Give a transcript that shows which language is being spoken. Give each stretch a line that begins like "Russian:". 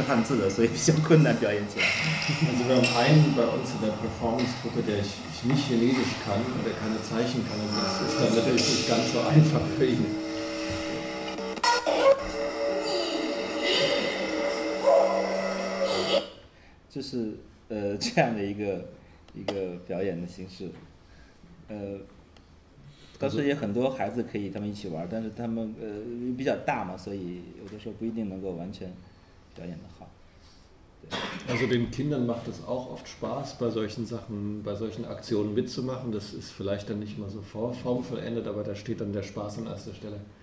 German: Also wir haben einen bei uns in der Performance-Gruppe, der ich nicht Chinesisch kann und der keine Zeichen kann. Und das ist dann natürlich nicht ganz so einfach für ihn. Das ist so eine Performance-Gruppe.
Chinese: 当时也很多孩子可以他们一起玩，但是他们比较大嘛，所以有的时候不一定能够完全表演得好。
German: Also den Kindern macht es auch oft Spaß, bei solchen Sachen, bei solchen Aktionen mitzumachen. Das ist vielleicht dann nicht immer so formvollendet, aber da steht dann der Spaß an erster Stelle.